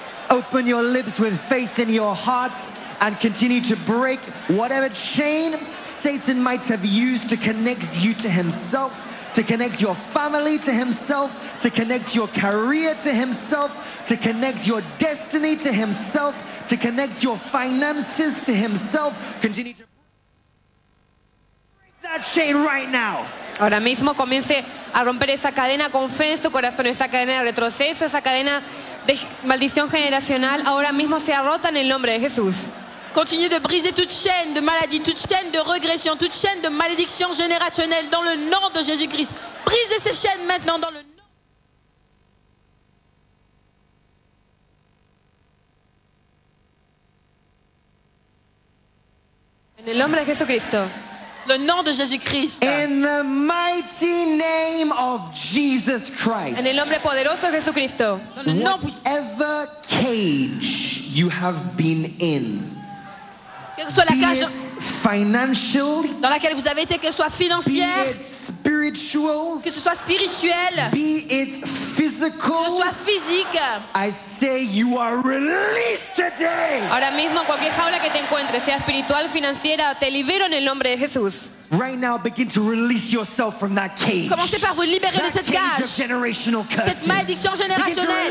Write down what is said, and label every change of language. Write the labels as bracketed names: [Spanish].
[English] Open your lips with faith in your hearts and continue to break whatever chain Satan might have used to connect you to himself, to connect your family to himself, to connect your career to himself, to connect your destiny to himself, to connect your finances to himself. Continue to break that chain right now. [Spanish] Ahora mismo comience a romper esa cadena con fe en su corazón, esa cadena de retroceso, esa cadena de maldición generacional, ahora mismo se rota en el nombre de Jesús. [French] Continue de briser toute chaîne de maladie, toute chaîne de régression, toute chaîne de malédiction générationnelle dans le nom de Jésus-Christ. Brisez ces chaînes maintenant dans le nom. [Spanish] En el nombre de Jesucristo. [French] Le nom de Jésus-Christ. [English] In the mighty name of Jesus Christ. [Spanish] En el nombre poderoso de Jesucristo. [English] Whatever cage you have been in. [French] Dans laquelle vous avez été, que ce soit financière, [English] be it spiritual, [French] que ce soit spirituel, [English] be it physical, [French] que ce soit physique, [English] I say you are released today. [Spanish] Ahora mismo, cualquier jaula que te encuentres, sea espiritual, financiera, te libero en el nombre de Jesús. [English] Right now, begin to release yourself from that cage. [French] Commencez par vous libérer de cette cage. [English] That cage of generational curses. [French] Cette malédiction générationnelle.